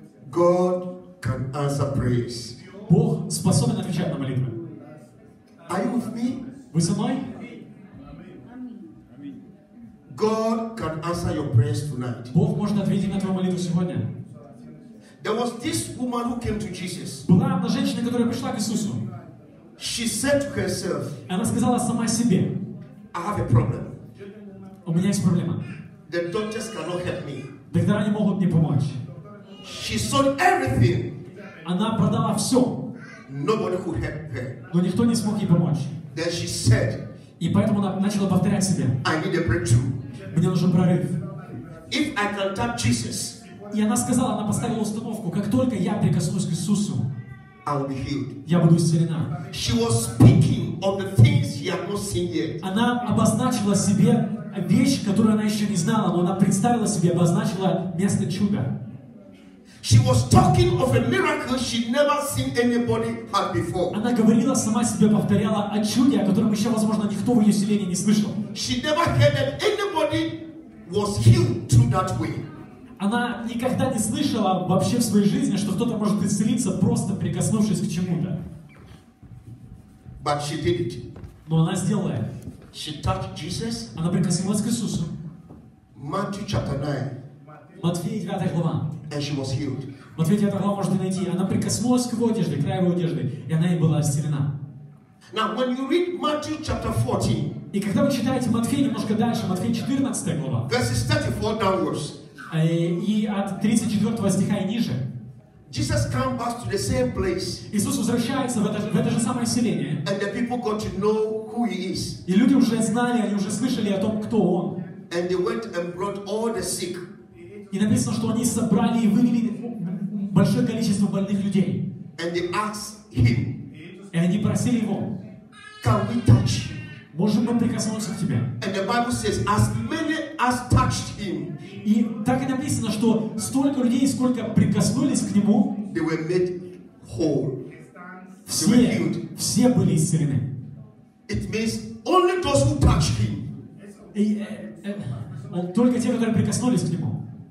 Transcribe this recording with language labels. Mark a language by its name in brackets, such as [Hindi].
[English] God can answer prayers. [Russian] Бог способен отвечать на молитвы. [English] Are you with me? [Russian] Вы со мной? [English] God can answer your prayers tonight. [Russian] Бог может ответить на твою молитву сегодня. [English] There was this woman who came to Jesus. [Russian] Была одна женщина, которая пришла к Иисусу. [English] She said to herself. [Russian] Она сказала сама себе. [English] I have a problem. [Russian] У меня есть проблема. [English] The doctors cannot help me. [Russian] Доктора не могут мне помочь. [English] She sold everything. [Russian] Она продала все. [English] Nobody could help her. [Russian] Но никто не смог ей помочь. [English] Then she said. [Russian] И поэтому она начала повторять себе. [English] I need a breakthrough. [Russian] Мне нужен прорыв. [English] If I can touch Jesus. [Russian] И она сказала, она поставила установку, как только я прикоснусь к Иисусу, [English] I will be healed. [Russian] Я буду исцелена. [English] She was speaking of the things she had not seen yet. [Russian] Она обозначила себе вещь, которую она еще не знала, но она представила себе, обозначила место чуда. [English] She was talking of a miracle she never seen anybody had before. [Russian] Она говорила сама себе, повторяла о чуде, о котором еще, возможно, никто в ее селении не слышал. [English] She never heard that anybody was healed through that way. [Russian] Она никогда не слышала вообще в своей жизни, что кто-то может исцелиться, просто прикоснувшись к чему-то. [English] But she did it. [Russian] Но она сделала это. [English] She touched Jesus. [Russian] Она прикоснулась к Иисусу. [English] Matthew chapter 9. [Russian] Матфея 9 глава. [English] And she was healed. [Russian] Матфея 9 глава можете найти. Она прикоснулась к его одежде, к краю его одежды, и она ей была исцелена. [English] Now, when you read Matthew chapter 14. [Russian] И когда вы читаете Матфея немножко дальше, Матфея 14 глава. [English] Verses 34 downwards. [Russian] И от 34 стиха и ниже. [English] Jesus came back to the same place. [Russian] Иисус возвращается в это же самое селение. [English] And the people got to know who he is. [Russian] И люди уже знали, они уже слышали о том, кто он. [English] And they went and brought all the sick. [Russian] И написано, что они собрали и вывели большое количество больных людей. [English] And they asked him. [Russian] И они просили его. [English] Can we touch? [Russian] Можем мы прикоснуться к тебе? [English] And the Bible says, as many as touched him. [Russian] И так и написано, что столько людей, сколько прикоснулись к нему, [English] they were made whole. [Russian] Все, [English] they were healed. [Russian] Все были исцелены. [English] It means only those who touched him. [Russian] И, только те, которые прикоснулись к нему,